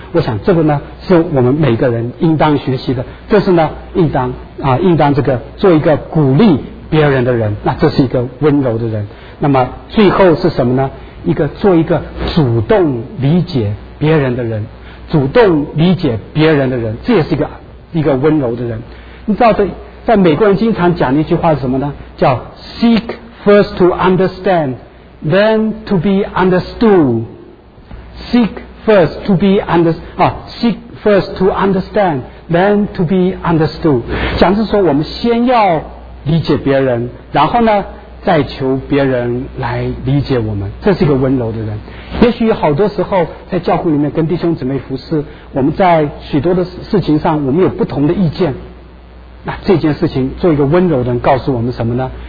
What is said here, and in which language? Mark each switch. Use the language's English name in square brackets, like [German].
[Chinese] 我想这个呢，是我们每个人应当学习的，这是呢应当这个做一个鼓励别人的人。那这是一个温柔的人。那么最后是什么呢？一个做一个主动理解别人的人，主动理解别人的人，这也是一个温柔的人。你知道在美国人经常讲的一句话是什么呢？ [English] 叫 Seek first to understand, then to be understood. Seek first to be Seek first to understand, then to be understood. [Chinese] 讲是说我们先要理解别人，然后呢再求别人来理解我们，这是一个温柔的人。也许好多时候在教会里面跟弟兄姊妹服侍，我们在许多的事情上我们有不同的意见，那这件事情做一个温柔的人告诉我们什么呢？